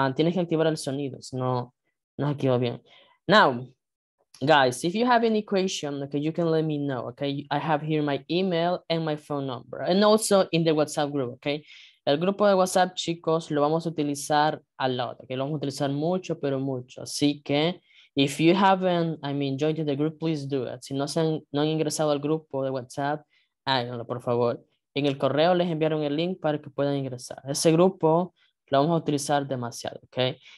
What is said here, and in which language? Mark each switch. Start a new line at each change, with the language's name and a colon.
Spanish: Tienes que activar el sonido, no, no activo bien.
English: Now, guys, if you have any question, okay, you can let me know, okay? I have here my email and my phone number, and also in the WhatsApp group, okay?
Spanish: El grupo de WhatsApp, chicos, lo vamos a utilizar
English: a lot,
Spanish: okay? Lo vamos a utilizar mucho, pero mucho. Así que,
English: if you haven't, I mean, joined the group, please do it.
Spanish: Si no, no han ingresado al grupo de WhatsApp, háganlo, por favor. En el correo les enviaron el link para que puedan ingresar. Ese grupo lo vamos a utilizar demasiado, okay?